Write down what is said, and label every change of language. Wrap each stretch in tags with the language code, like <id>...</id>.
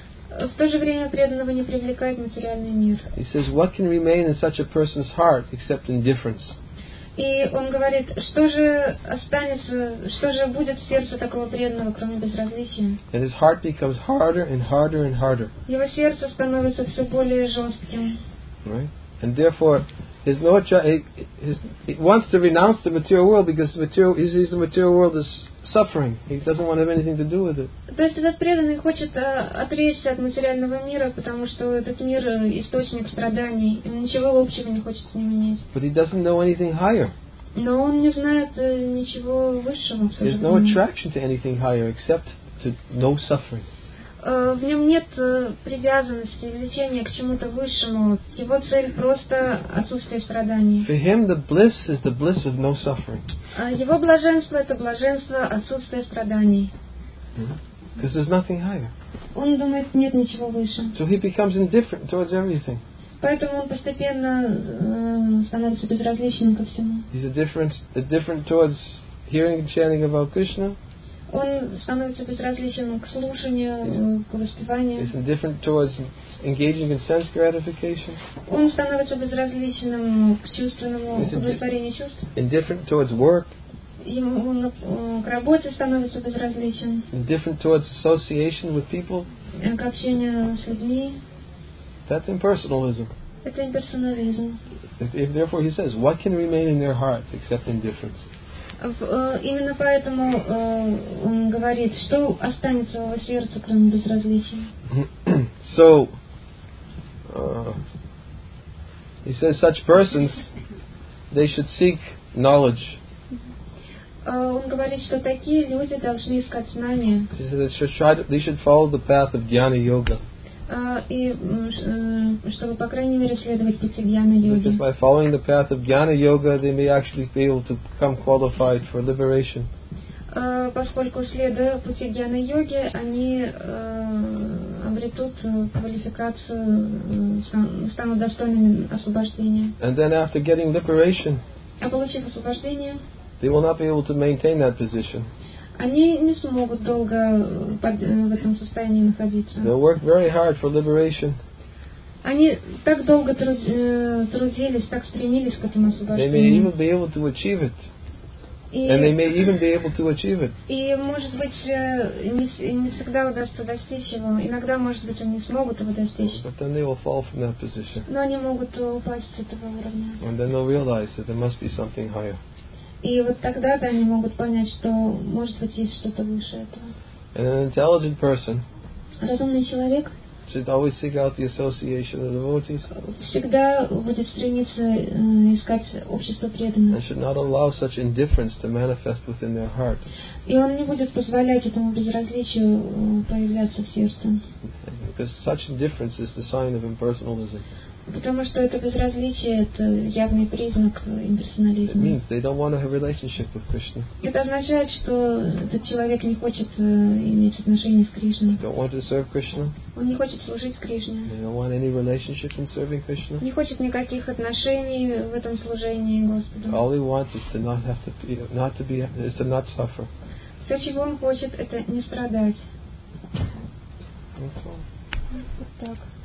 <ru>В то же время преданного не привлекает материальный мир.</ru> <en>He says, what can remain in such a person's heart except indifference?</en> <ru>И он говорит, что же останется, что же будет в сердце такого преданного, кроме безразличия?</ru> <en>And his heart becomes harder and harder and harder.</en> <ru>Его сердце становится все более жестким.</ru> <en>Right? And therefore, His Lord, he wants to renounce the material world because he sees the material world as suffering. He doesn't want to have anything to do with it.</en> <ru>То есть этот преданный хочет отречься от материального мира, потому что этот мир источник страданий, и ничего общего не хочет с ним иметь.</ru> <en>But he doesn't know anything higher.</en> <ru>Но он не знает ничего высшего.</ru> <en>There's no attraction to anything higher except to no suffering.</en> <ru>В нем нет привязанности, влечения к чему-то высшему. Его цель просто отсутствие страданий.</ru> <en>For him, the bliss is the bliss of no suffering.</en> <ru>Его блаженство — это блаженство отсутствия страданий.</ru> <en>Because there's nothing higher.</en> <ru>Он думает, нет ничего выше.</ru> <en>So he becomes indifferent towards everything.</en> <ru>Поэтому он постепенно становится безразличным ко всему.</ru> <en>He's indifferent towards hearing and chanting about Krishna.</en> <ru>Он становится безразличен к слушанию, к воспеванию.</ru> <en>He's indifferent towards engaging in sense gratification.</en> <ru>Он становится безразличным к чувственному удовлетворению чувств.</ru> <en>Indifferent towards work.</en> <ru>Ему к работе становится безразличен.</ru> <en>Indifferent towards association with people.</en> <ru>К общению с людьми.</ru> <en>That's impersonalism.</en> <ru>Это имперсонализм.</ru> <en>If therefore he says, what can remain in their hearts except indifference?</en> <ru>Именно поэтому он говорит, что останется у вас сердца, кроме безразличия.</ru> <en>So, he says, such persons, they should seek knowledge.</en> <ru>Он говорит, что такие люди должны искать знания.</ru> <en>He says, they should follow the path of Jnana Yoga.</en> <ru>И чтобы по крайней мере следовать пути Гьяна Йоги.</ru> <en>Because by following the path of Gyana Yoga, they may actually be able to become qualified for liberation.</en> <ru>Поскольку следуя пути Гьяна Йоги, они обретут квалификацию, станут достойными освобождения.</ru> <en>And then after getting liberation,</en> <ru>а получив освобождение,</ru> <en>they will not be able to maintain that position.</en> <ru>Они не смогут долго в этом состоянии находиться.</ru> <en>They'll work very hard for liberation.</en> <ru>Они так долго трудились, так стремились к этому освобождению.</ru> <en>They may even be able to achieve it. And they may even be able to achieve it.</en> <ru>И, может быть, не всегда удастся достичь его. Иногда, может быть, они смогут его достичь.</ru> <en>But then they will fall from that position.</en> <ru>Но они могут упасть с этого уровня.</ru> <en>And then they'll realize that there must be something higher.</en> <ru>И вот тогда-то они могут понять, что, может быть, есть что-то выше этого.</ru> <en>And an intelligent person,</en> <ru>разумный человек,</ru> <en>should always seek out the association of devotees,</en> <ru>всегда будет стремиться искать общество преданных,</ru> <en>and should not allow such indifference to manifest within their heart.</en> <ru>И он не будет позволять этому безразличию появляться в сердце.</ru> <en>Because such indifference is the sign of impersonalism.</en> <ru>Потому что это безразличие, это явный признак имперсонализма.</ru> <en>It means they don't want to have a relationship with Krishna.</en> <ru>Это означает, что этот человек не хочет иметь отношения с Кришной.</ru> <en>They don't want to serve Krishna.</en> <ru>Он не хочет служить Кришне.</ru> <en>They don't want any relationship in serving Krishna.</en> <ru>Не хочет никаких отношений в этом служении Господу.</ru> <en>All he wants is to not have to be, not to be, is to not suffer.</en> <ru>Все, чего он хочет, это не страдать.</ru> <en>That's all.</en> <ru>Вот так.</ru>